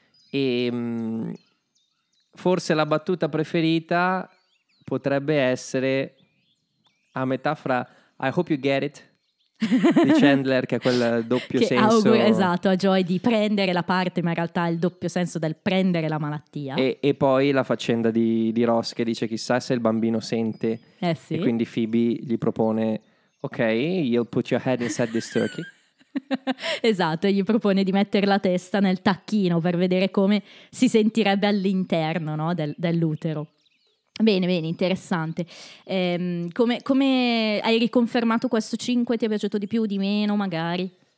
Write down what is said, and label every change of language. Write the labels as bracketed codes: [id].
[it] E forse la battuta preferita potrebbe essere a metà fra [en] I hope you get it [it] di Chandler, che ha quel doppio che senso. Augura, esatto, a Joy di prendere la parte, ma in realtà è il doppio senso del prendere la malattia. E poi la faccenda di Ross, che dice chissà se il bambino sente. Sì. E quindi Phoebe gli propone, ok, [en] you'll put your head inside this turkey. [it] Esatto, gli propone di mettere la testa nel tacchino per vedere come si sentirebbe all'interno, no, dell'utero. Bene, bene, interessante. Come hai riconfermato questo 5? Ti è piaciuto di più, di meno, magari?